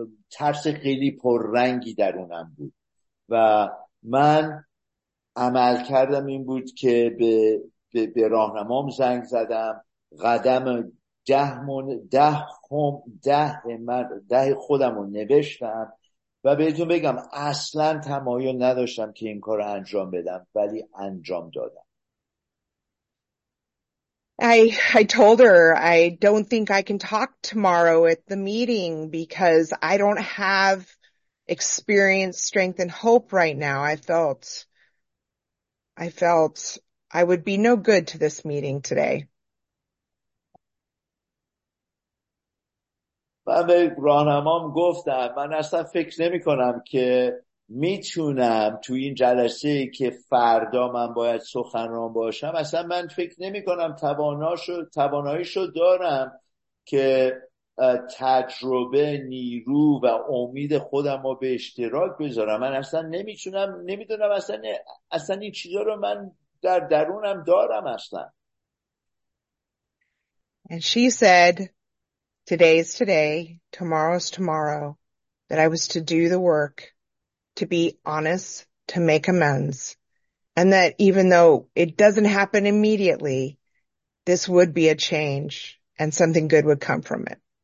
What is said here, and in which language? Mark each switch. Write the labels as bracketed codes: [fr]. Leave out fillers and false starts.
[fa] ترس خیلی پررنگی درونم بود و من عمل کردم این بود که به راهنمام زنگ زدم، قدم ده خودم رو نوشتم و بهتون بگم اصلا تمایل نداشتم که این کار رو انجام بدم ولی انجام دادم. [en] I told her I don't think I can talk tomorrow at the meeting because I don't have experience, strength, and hope right now. I felt I would be no good to this meeting today. [fa] من به راهنمام گفتم من اصلا فکر نمی کنم که میتونم تو این جلسه که فردا من باید سخنران باشم، اصلا من فکر نمی کنم تواناییشو دارم که تجربه، نیرو و امید خودم رو به اشتراک بذارم. من اصلا نمیتونم، نمیدونم اصلا این چیزا رو من در درونم دارم اصلا. [en] And she said, today is today, tomorrow is tomorrow, that I was to do the work, to be honest, to make amends, and that even though it doesn't happen immediately, this would be a change and something good would come from it.